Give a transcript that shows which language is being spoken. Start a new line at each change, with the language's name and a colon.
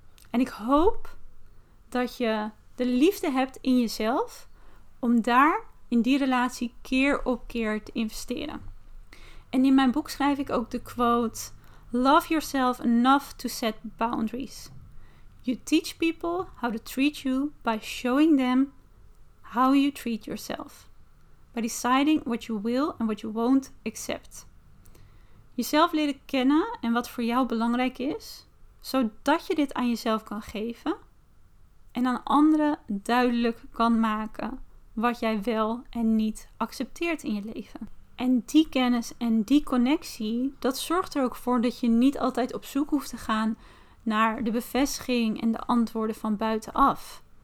Dutch: En ik hoop dat je de liefde hebt in jezelf om daar in die relatie keer op keer te investeren. En in mijn boek schrijf ik ook de quote:
English: love yourself enough to set boundaries. You teach people how to treat you by showing them how you treat yourself. By deciding what you will and what you won't accept.
Dutch: Jezelf leren kennen en wat voor jou belangrijk is, zodat je dit aan jezelf kan geven en aan anderen duidelijk kan maken wat jij wel en niet accepteert in je leven. En die kennis en die connectie, dat zorgt er ook voor dat je niet altijd op zoek hoeft te gaan naar de bevestiging en de antwoorden van buitenaf.